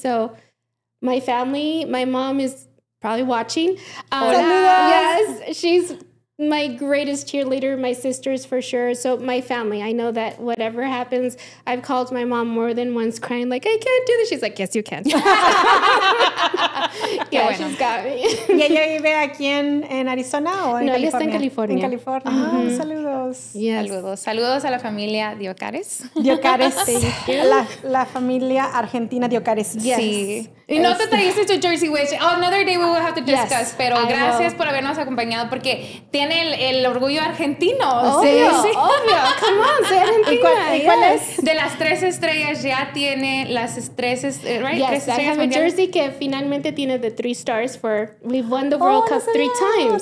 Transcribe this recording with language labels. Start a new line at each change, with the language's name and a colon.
English: So my family, my mom is probably watching. Yes, she's my greatest cheerleader, my sisters for sure. So my family, I know that whatever happens, I've called my mom more than once crying like, I can't do this. She's like, yes, you can. Yeah, bueno. She's got me.
Spanish: ¿Y ella vive aquí en Arizona o en California? No, está en California. En California. Mm-hmm. Oh, saludos. Yes. Saludos. Saludos a la familia Diocares. Diocares. La familia argentina Diocares.
English: Yes.
Spanish: Sí. Y no te trajiste tu jersey,
English: which another day we will have to discuss.
Spanish: Yes, pero gracias por habernos acompañado porque tiene el orgullo argentino. Obvio, sí. Obvio.
English: Come on, say Argentina.
Spanish: ¿Y cuál es? De las tres estrellas ya tiene las tres estrellas.
English: Right? Yes, I have a jersey
Spanish: que finalmente tiene
English: the three stars for we've won the World Cup three times.